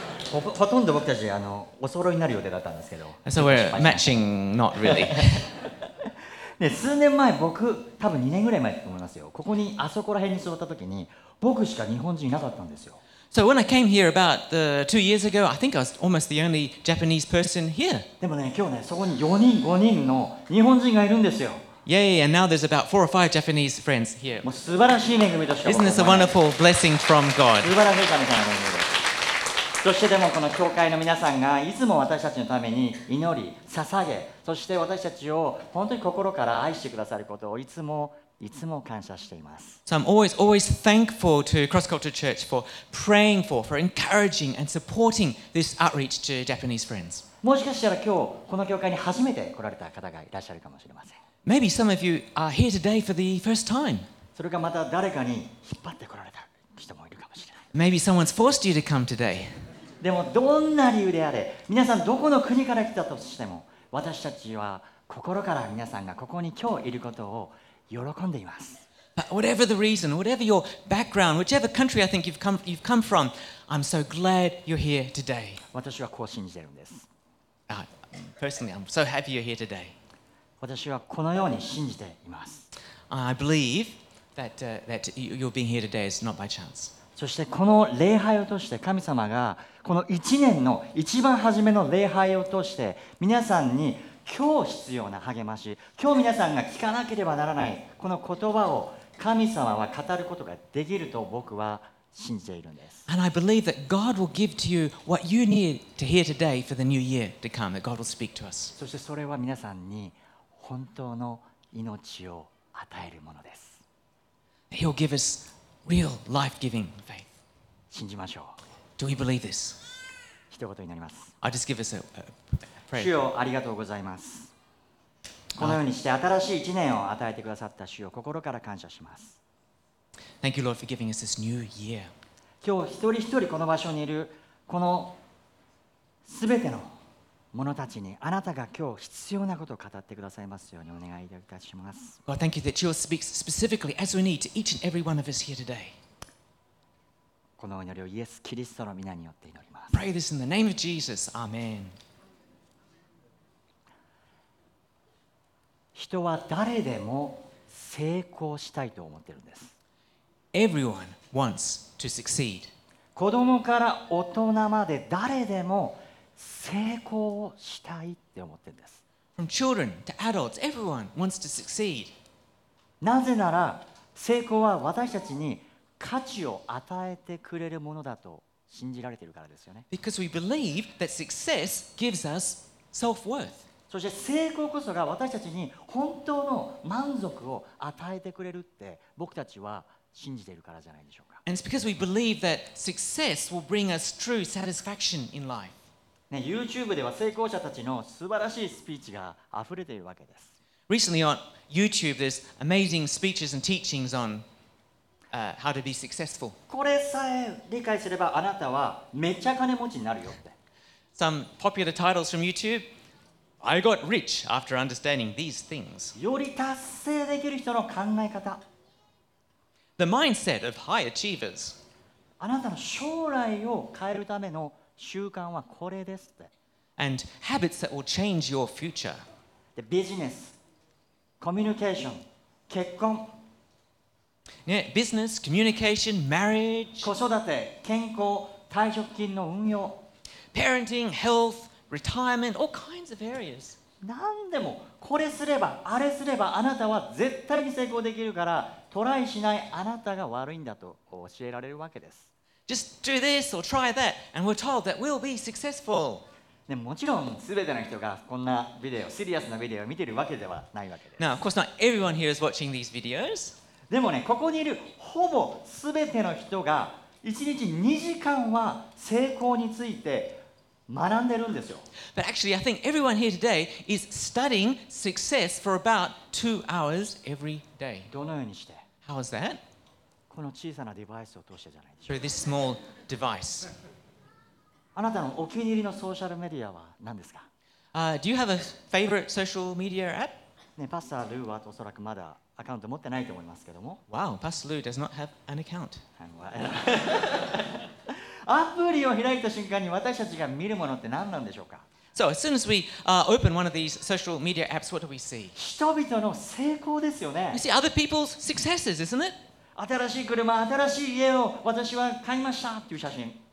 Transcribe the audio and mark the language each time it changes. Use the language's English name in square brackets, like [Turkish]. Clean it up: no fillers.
[Japanese] ほとんど僕たちあのお揃いになる予定だったんですけど。 [English] So we're matching, not really. [Japanese] 数年前、僕多分2年ぐらい前だと思いますよ。ここにあそこら辺に座った時に僕しか日本人いなかったんですよ。 [English] So when I came here about the 2 years ago, I think I was almost the only Japanese person here. [Japanese] でもね、今日ね、そこに4人、5人の日本人がいるんですよ。 [English] Yay, and now there's about 4 or 5 Japanese friends here. [Japanese] もう素晴らしい恵みとしか。 [English] Isn't this a wonderful blessing from God? [Japanese] 素晴らしい神様の恵みです。そしてでもこの教会の皆さんがいつも私たちのために祈り、捧げ、そして私たちを本当に心から愛してくださることをいつもいつも感謝しています。 [English] So I'm always, always thankful to Cross Culture Church for praying for encouraging and supporting this outreach to Japanese friends. [Japanese] もしかしたら今日この教会に初めて来られた方がいらっしゃるかもしれません。 [English] Maybe some of you are here today for the first time. [Japanese] それがまた誰かに引っ張ってこられた人もいるかもしれない。 [English] Maybe someone's forced you to come today. [Japanese] でもどんな理由であれ、皆さんどこの国から来たとしても、私たちは心から皆さんがここに今日いることを喜んでいます。 [English] But whatever the reason, whatever your background, whichever country I think you've come from, I'm so glad you're here today. [Japanese] 私はこう信じてるんです。 [English] Personally, I'm so happy you're here today. [Japanese] 私はこのように信じています。 [English] I believe that, that you're being here today is not by chance. [Japanese] そしてこの礼拝を通して神様がこの1年の一番初めの礼拝を通して皆さんに今日必要な励まし、今日皆さんが聞かなければならないこの言葉を神様は語ることができると僕は信じているんです。 [English] And I believe that God will give to you what you need to hear today for the new year to come, that God will speak to us. [Japanese] そしてそれは皆さんに本当の命を与えるものです。 [English] He'll give us real life-giving faith. [Japanese] 信じましょう。 [English] Do we believe this? [Japanese] 一言になります。 [English] I'll just give us a prayer. [Japanese] 主よ、ありがとうございます。このようにして新しい一年を与えてくださった主よ、心から感謝します。 [English] Thank you, Lord, for giving us this new year. [Japanese] 今日一人一人この場所にいるこのすべての者たちにあなたが今日必要なことを語ってくださいますようにお願いいたします。 [English] God, thank you that you speak specifically as we need to each and every one of us here today. [Japanese] このお祈りをイエス・キリストの皆によって祈ります。 [English] Pray this in the name of Jesus. Amen. [Japanese] 人は誰でも成功したいと思っているんです。 [English] Everyone wants to succeed. [Japanese] 子供から大人まで誰でも成功をしたいって思ってるんです。 [English] From children to adults, everyone wants to succeed. [Japanese] なぜなら成功は私たちに価値を与えてくれるものだと信じられているからですよね。 [English] Because we believe that success gives us self-worth. [Japanese] そして成功こそが私たちに本当の満足を与えてくれるって僕たちは信じているからじゃないでしょうか。 [English] And it's because we believe that success will bring us true satisfaction in life. [Japanese] ね、YouTube では成功者たちの素晴らしいスピーチが溢れているわけです。 [English] Recently on YouTube, there's amazing speeches and teachings on how to be successful. [Japanese] これさえ理解すればあなたはめっちゃ金持ちになるよって。 [English] Some popular titles from YouTube. I got rich after understanding these things. [Japanese] より達成できる人の考え方。 [English] The mindset of high achievers. [Japanese] あなたの将来を変えるための習慣はこれですって。 [English] And habits that will change your future. The business, communication, 結婚。ね、business, communication, marriage. [Japanese] 子育て、健康、退職金の運用。 [English] Parenting, health, retirement, all kinds of areas. [Japanese] 何でもこれすればあれすればあなたは絶対に成功できるからトライしないあなたが悪いんだと教えられるわけです。 [English] Just do this or try that, and we're told that we'll be successful. [Japanese] でもちろん全ての人がこんなビデオ、シリアスなビデオを見ているわけではないわけです。 [English] Now, of course, not everyone here is watching these videos. [Japanese] でもね、ここにいるほぼ全ての人が1日2時間は成功について学んでるんですよ。 [English] But actually, I think everyone here today is studying success for about 2 hours every day. [Japanese] どのようにして? [English] How is that? [Japanese] この小さなデバイスを通してじゃないですか? [English] Through this small device. [Japanese] あなたのお気に入りのソーシャルメディアは何ですか? [English] Do you have a favorite social media app? [Japanese] ね、パスタールーはおそらくまだアカウント持ってないと思いますけども。 [English] Wow, Pastor Lou does not have an account. [Japanese] アプリを開いた瞬間に私たちが見るものって何なんでしょうか? [English] So, as soon as we open one of these social media apps, what do we see? [Japanese] 人々の成功ですよね。 [English] You see other people's successes, isn't it? [Japanese] 新しい車、新しい家を私は買いましたっていう写真。